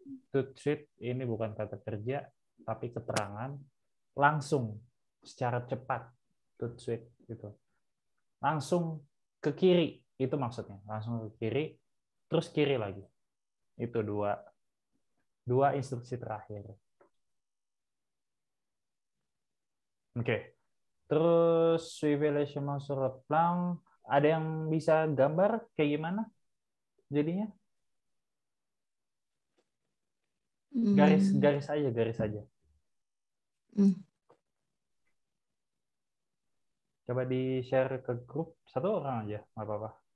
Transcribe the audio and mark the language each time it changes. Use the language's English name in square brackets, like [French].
[French] Tout de suite [Indonesian] ini bukan kata kerja tapi keterangan langsung secara cepat [French] tout de suite [Indonesian] gitu. Langsung ke kiri itu maksudnya, langsung ke kiri terus kiri lagi. Itu dua instruksi terakhir. Oke. Okay. Terus [French] suivez le chemin sur le plan. [Indonesian] Ada yang bisa gambar kayak gimana jadinya? Garis aja. Coba di-share ke grup satu orang aja, nggak apa-apa.